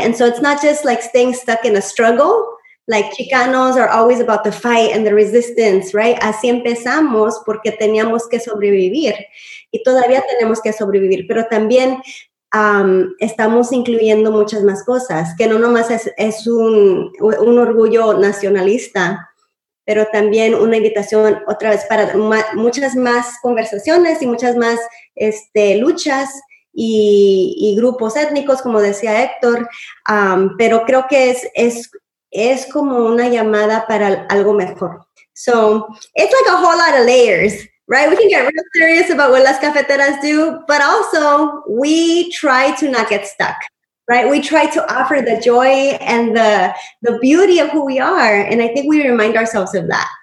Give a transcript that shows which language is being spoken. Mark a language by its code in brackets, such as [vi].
[en] And so it's not just like staying stuck in a struggle, like Chicanos are always about the fight and the resistance, right? [es] Así empezamos porque teníamos que sobrevivir y todavía tenemos que sobrevivir, pero también estamos incluyendo muchas más cosas, que no nomás es un orgullo nacionalista, pero también una invitación otra vez para muchas más conversaciones y muchas más luchas. Y grupos étnicos, como decía Héctor, pero creo que es como una llamada para algo mejor. [en] So, it's like a whole lot of layers, right? We can get real serious about what Las Cafeteras do, but also we try to not get stuck, right? We try to offer the joy and the beauty of who we are, and I think we remind ourselves of that.